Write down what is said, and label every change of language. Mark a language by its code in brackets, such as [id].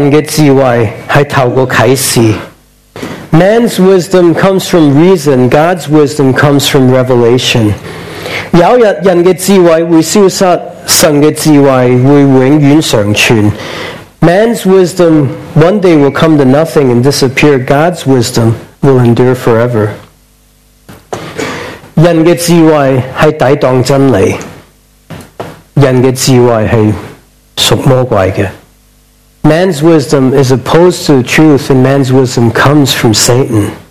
[zh] 人的智慧是靠理性,神的智慧是透过启示。 [en] Man's wisdom comes from reason, God's wisdom comes from revelation. [zh] 有一天人的智慧会消失,神的智慧会永远常存。 [en] Man's wisdom one day will come to nothing and disappear. God's wisdom will endure forever. [zh] 人的智慧是抵挡真理。人的智慧是属魔鬼的。 [en] Man's wisdom is opposed to the truth, and man's wisdom comes from Satan.